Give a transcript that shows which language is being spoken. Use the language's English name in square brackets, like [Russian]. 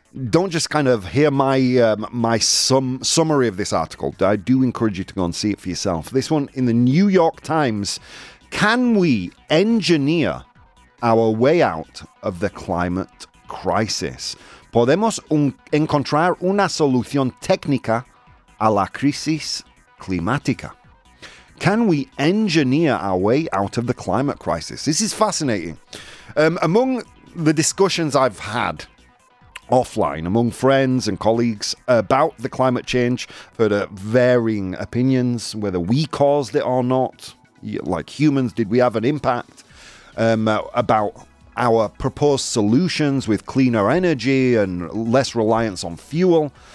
[English] Don't just kind of hear my summary of this article. I do encourage you to go and see it for yourself. This one in the New York Times. Can we engineer our way out of the climate crisis? [Spanish] Podemos encontrar una solución técnica a la crisis climática. [English] Can we engineer our way out of the climate crisis? This is fascinating. Among the discussions I've had offline among friends and colleagues about the climate change, I've heard varying opinions, whether we caused it or not, like humans, did we have an impact, about our proposed solutions with cleaner energy and less reliance on fuel.